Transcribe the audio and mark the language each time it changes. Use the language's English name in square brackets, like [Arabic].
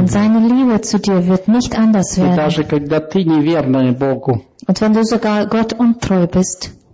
[German] Und seine Liebe zu dir wird nicht anders werden. [Russian] И даже когда ты неверная Богу. [German] Und wenn du sogar Gott untreu bist.